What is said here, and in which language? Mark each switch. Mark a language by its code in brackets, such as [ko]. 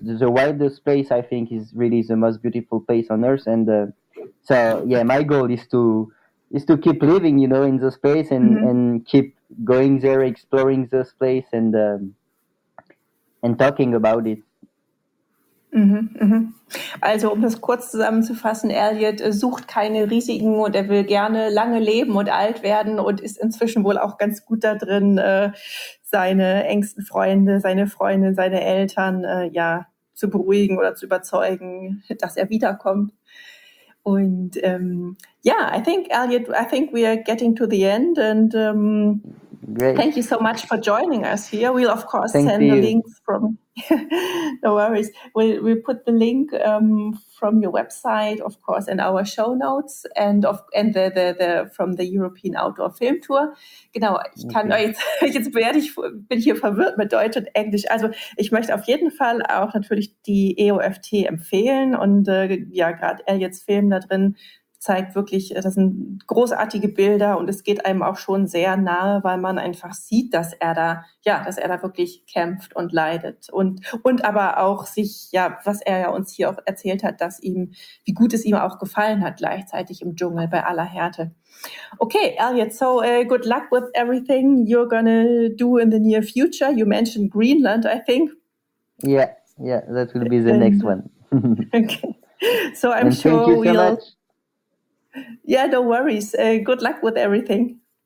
[en] The wildest place, I think, is really the most beautiful place on earth. And my goal is to keep living, you know, in those place and keep going there, exploring those place and talking about it. [de] Also, um das kurz zusammenzufassen, Elliot sucht keine Risiken und er will gerne lange leben und alt werden und ist inzwischen wohl auch ganz gut da drin, seine engsten Freunde, seine Freundin, seine Eltern zu beruhigen oder zu überzeugen, dass er wiederkommt. [en] Und I think, Elliot, we are getting to the end, and great. Thank you so much for joining us here. We'll, of course, thank send you. The links from... No worries. We'll put the link from your website, of course, in our show notes and from the European Outdoor Film Tour. [de] Genau, ich kann okay. Bin hier verwirrt mit Deutsch und Englisch. Also ich möchte auf jeden Fall auch natürlich die EOFT empfehlen und gerade Elliots Film da drin zeigt wirklich, das sind großartige Bilder und es geht einem auch schon sehr nahe, weil man einfach sieht, dass er da wirklich kämpft und leidet und aber auch sich, ja, was er ja uns hier auch erzählt hat, dass ihm, wie gut es ihm auch gefallen hat, gleichzeitig im Dschungel bei aller Härte. [en] Okay, Elliot, so good luck with everything you're gonna do in the near future. You mentioned Greenland, I think. Yeah, that will be the next one. Okay, so I'm sure thank you so we'll... much. Yeah, no worries. Good luck with everything.